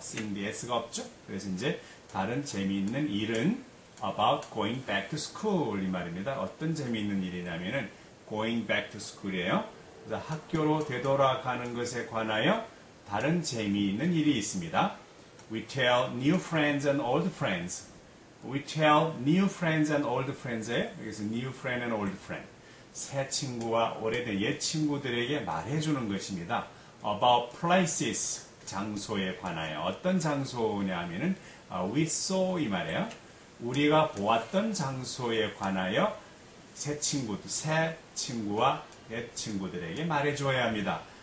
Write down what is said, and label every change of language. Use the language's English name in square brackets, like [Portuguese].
[Korean] thing 뒤에 s가 없죠. 그래서 이제 다른 재미있는 일은 [English] about going back to school [Korean] 이 말입니다. 어떤 재미있는 일이냐면은 [English] going back to school [Korean] 이에요. 그래서 학교로 되돌아가는 것에 관하여 다른 재미있는 일이 있습니다. [English] We tell new friends and old friends. We tell new friends and old friends [Korean] 에 여기서 [English] new friend and old friend. [Korean] 새 친구와 오래된 옛 친구들에게 말해주는 것입니다. [English] About places, [Korean] 장소에 관하여. 어떤 장소냐 하면은 [English] we saw [Korean] 이 말이에요. 우리가 보았던 장소에 관하여 새 친구와 옛 친구들에게 말해줘야 합니다.